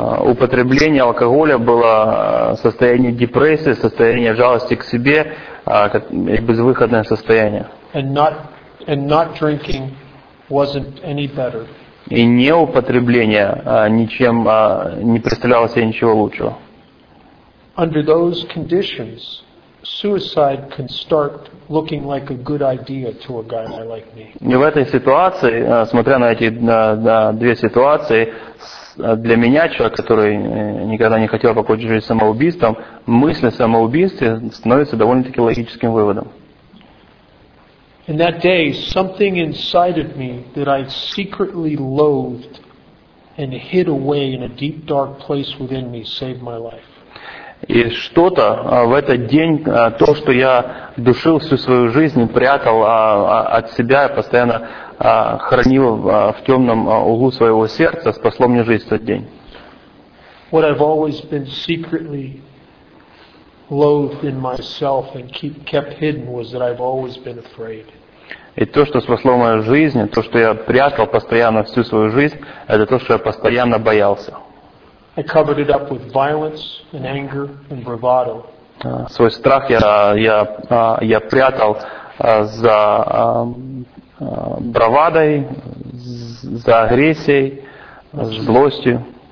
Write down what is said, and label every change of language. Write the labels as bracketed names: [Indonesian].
[Russian] Употребление алкоголя было состояние депрессии, состояние жалости к себе, безвыходное состояние. [English] And not drinking wasn't any better. [Russian] И неупотребление ничем не представляло себе ничего лучшего. [English] Under those conditions, suicide can start looking like a good idea to a guy like me. [Russian] И в этой ситуации, смотря на эти две ситуации, для меня, человек, который никогда не хотел покончить жизнь самоубийством, мысль о самоубийстве становится довольно-таки логическим выводом. [English] In that day, something inside of me that I secretly loathed and hid away in a deep dark place within me saved my life. [Russian] И что-то в этот день, то, что я душил всю свою жизнь, прятал от себя, постоянно хранил в темном углу своего сердца, спасло мне жизнь в тот день. [English] What I've always been secretly loathed in myself and kept hidden was that I've always been afraid. [Russian] И то, что спасло мою жизнь, то, что я прятал постоянно всю свою жизнь, это то, что я постоянно боялся. [English] I covered it up with violence and anger and bravado. [Russian] Свой страх я прятал за бравадой, за агрессией, с злостью.